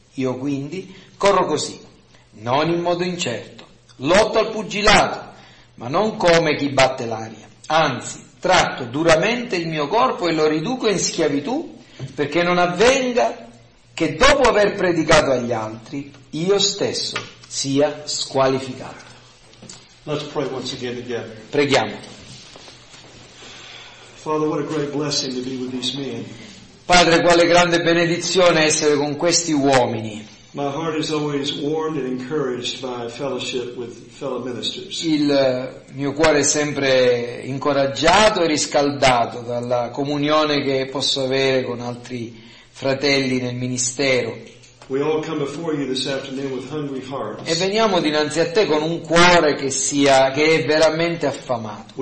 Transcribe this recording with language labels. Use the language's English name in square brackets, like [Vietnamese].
[Italian] Io quindi corro così, non in modo incerto, lotto al pugilato, ma non come chi batte l'aria, anzi, tratto duramente il mio corpo e lo riduco in schiavitù perché non avvenga che dopo aver predicato agli altri, io stesso sia squalificato. [English] Let's pray once again together. [Italian] Preghiamo. [English] Father, what a great blessing to be with these men. [Italian] Padre, quale grande benedizione essere con questi uomini. [English] My heart is always warmed and encouraged by fellowship with fellow ministers. [Italian] Il mio cuore è sempre incoraggiato e riscaldato dalla comunione che posso avere con altri fratelli nel ministero. [English] We all come before you this afternoon with hungry hearts. [Italian] E veniamo dinanzi a te con un cuore che è veramente affamato.